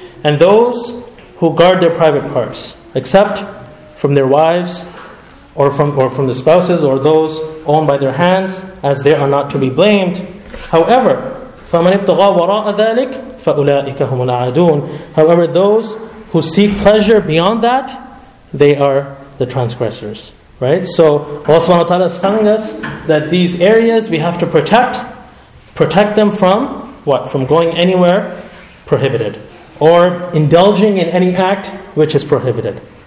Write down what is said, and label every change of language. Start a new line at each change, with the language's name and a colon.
English: And those who guard their private parts, except from their wives, or from the spouses, or those owned by their hands, as they are not to be blamed. However,
Arabic: فَمَنِ ابْتَغَى وَرَاءَ ذَلِكَ فَأُولَٰئِكَ هُمُ الْعَادُونَ.
English: However, those who seek pleasure beyond that, they are the transgressors. Right? So Allah subhanahu wa ta'ala is telling us that these areas we have to protect. Protect them from what? From going anywhere prohibited. Or indulging in any act which is prohibited.